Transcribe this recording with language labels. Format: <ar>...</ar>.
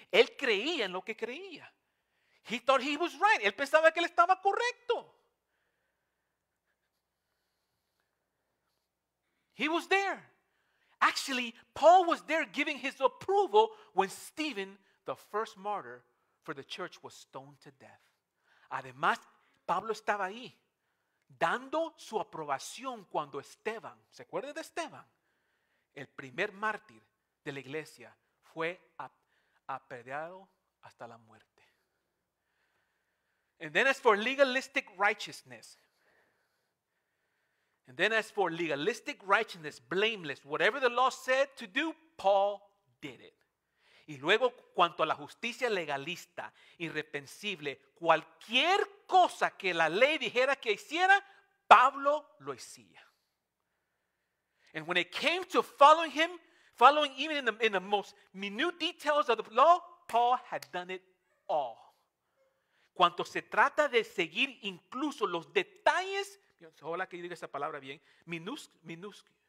<es>Él creía en lo que creía.</es> <en>He thought he was right.</en> <es>Él pensaba que él estaba correcto.</es> <en>He was there. Actually, Paul was there giving his approval when Stephen, the first martyr for the church, was stoned to death.</en> <es>Además, Pablo estaba ahí dando su aprobación cuando Esteban, ¿se acuerda de Esteban? El primer mártir de la iglesia fue apedreado hasta la muerte.</es> <en>And then as for legalistic righteousness. And then as for legalistic righteousness, blameless, whatever the law said to do, Paul did it.</en> <es>Y luego, cuanto a la justicia legalista, irrepensible, cualquier cosa que la ley dijera que hiciera, Pablo lo hacía.</es> <en>And when it came to following him, following even in the most minute details of the law, Paul had done it all.</en> <es>Cuanto se trata de seguir incluso los detalles, hola que yo diga esa palabra bien, minúsculos.</es>